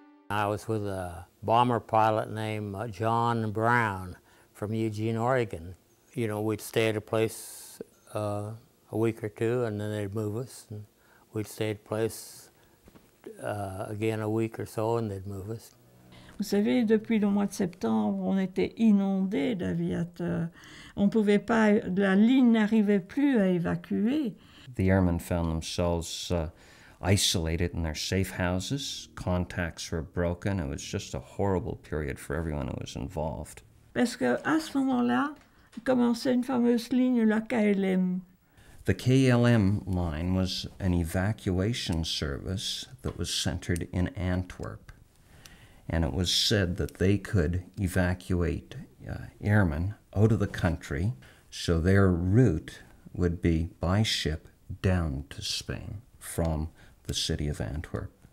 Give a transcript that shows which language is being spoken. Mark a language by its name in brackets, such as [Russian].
[English] I was with a bomber pilot named John Brown from Eugene, Oregon. You know, we'd stay at a place a week or two and then they'd move us. And we'd stay at a place again a week or so and they'd move us. [French] Vous savez, depuis le mois de septembre, on était inondés d'aviateurs. On pouvait pas, la ligne n'arrivait plus à évacuer. [English] The airmen found themselves isolated in their safe houses. Contacts were broken. It was just a horrible period for everyone who was involved. [French] Parce que à ce moment-là, commençait une fameuse ligne, la KLM. [English] The KLM line was an evacuation service that was centered in Antwerp. And it was said that they could evacuate airmen out of the country, so their route would be by ship down to Spain from the city of Antwerp.